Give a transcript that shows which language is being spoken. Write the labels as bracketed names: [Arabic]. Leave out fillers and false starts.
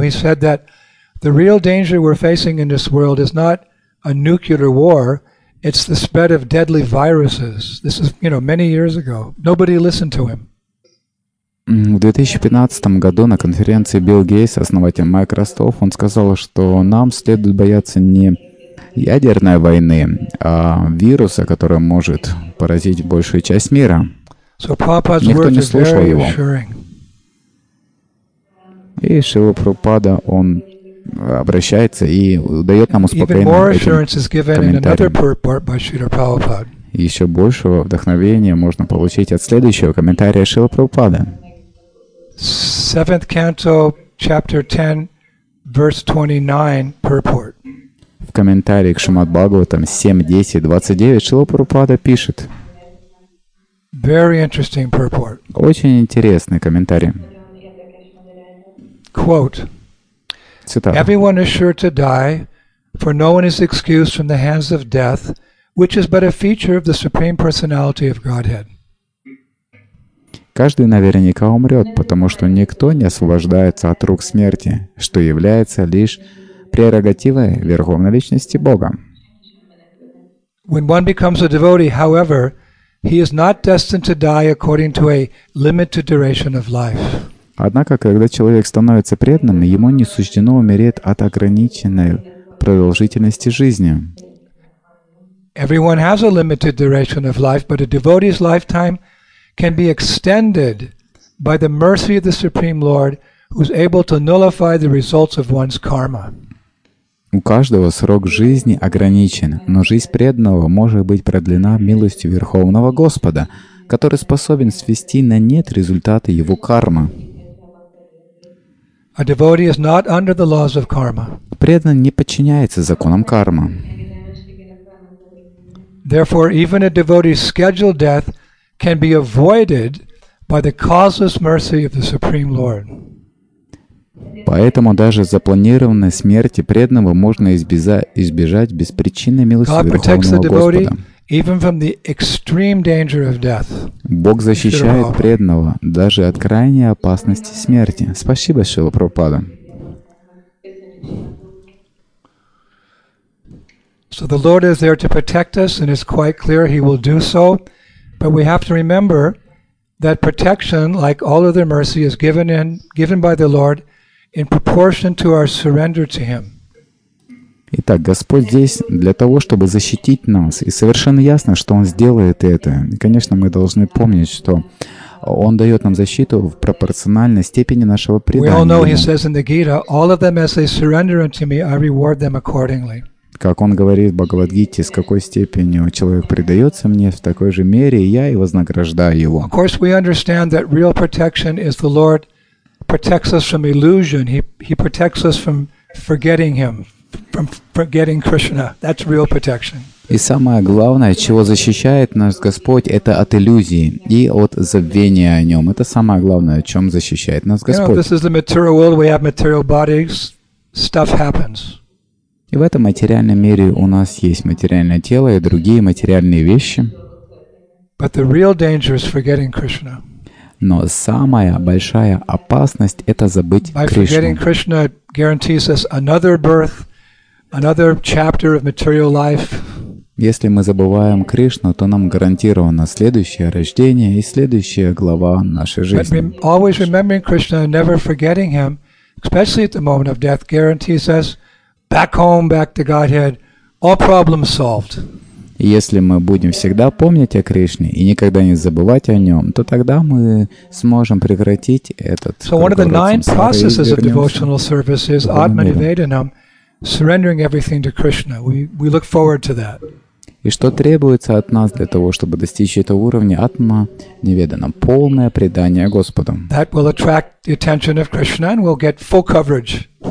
[English] He said that the real danger we're facing in this world is not a nuclear war, it's the spread of deadly viruses. This is, you know, many years ago. Nobody listened to him. [Russian] В 2015 году на конференции Билл Гейтс, основатель Microsoft, он сказал, что нам следует бояться не ядерной войны, а вируса, который может поразить большую часть мира. [English] So Prabhupada's words are very reassuring. [Russian] И Шрила Прабхупада, он обращается и дает нам успокоение этим. Еще большего вдохновения можно получить от следующего комментария Шрила Прабхупады. [English] 7th canto, chapter 10, verse 29, purport. [Russian] В комментарии к Шримад Бхагаватам 7.10.29 Шрила Прабхупада пишет. [English] Very interesting purport. [Russian] Очень интересный комментарий. [English] Quote. [Russian] Цитата. [English] Everyone is sure to die, for no one is excused from the hands of death, which is but a feature of the Supreme Personality of Godhead. [Russian] Каждый наверняка умрет, потому что никто не освобождается от рук смерти, что является лишь прерогативой Верховной Личности Бога. [English] When one becomes a devotee, however, he is not destined to die according to a limited duration of life. [Russian] Однако, когда человек становится преданным, ему не суждено умереть от ограниченной продолжительности жизни. [English] Everyone has a limited duration of life, but a devotee's lifetime can be extended by the mercy of the Supreme Lord, who is able to nullify the results of one's karma. [Russian] У каждого срок жизни ограничен, но жизнь преданного может быть продлена милостью Верховного Господа, который способен свести на нет результаты его кармы. [English] A devotee is not under the laws of karma. [Russian] Преданный не подчиняется законам кармы. [English] Therefore, even a devotee's scheduled death can be avoided by the causeless mercy of the Supreme Lord. [Russian] Поэтому даже запланированной смерти преданного можно избежать беспричинной милости Верховного Господа. Бог защищает преданного даже от крайней опасности смерти. Спасибо, Шрила Прабхупада. [English] So the Lord is there to protect us, and it's quite clear He will do so. But we have to remember that protection, like all other mercy, is given by the Lord in proportion to our surrender to Him. [Russian] Итак, Господь здесь для того, чтобы защитить нас, и совершенно ясно, что Он сделает это. И, конечно, мы должны помнить, что Он дает нам защиту в пропорциональной степени нашего предания. [English] We all know, He says in the Gita, all of them, as they surrender unto Me, I reward them accordingly. [Russian] Как Он говорит в Бхагавадгите, с какой степенью человек предается Мне, в такой же мере я и вознаграждаю его. [English] Of course, we understand that real protection is the Lord protects us from illusion. He protects us from forgetting Him, from forgetting Krishna. That's real protection. [Russian] И самое главное, чего защищает нас Господь, это от иллюзии и от забвения о Нем. Это самое главное, о чем защищает нас Господь. [English] You know, this is the material world. We have material bodies. Stuff happens. [Russian] И в этом материальном мире у нас есть материальное тело и другие материальные вещи. [English] But the real danger is forgetting Krishna. [Russian] Но самая большая опасность — это забыть [English] By [Russian] Кришну. [English] Forgetting Krishna guarantees us another birth, another chapter of material life. [Russian] Если мы забываем Кришну, то нам гарантировано следующее рождение и следующая глава нашей жизни. [English] But always remembering Krishna and never forgetting Him especially at the moment of death, guarantees us back home, back to Godhead, all problems solved. [Russian] Если мы будем всегда помнить о Кришне и никогда не забывать о нем, то тогда мы сможем прекратить этот [English] So one of the nine processes of devotional service is Atmanivedanam, surrendering everything to Krishna. We look forward to that. [Russian] И что требуется от нас для того, чтобы достичь этого уровня атма неведанам, полное предание Господу. [English] That will attract the attention of Krishna and we'll get full coverage.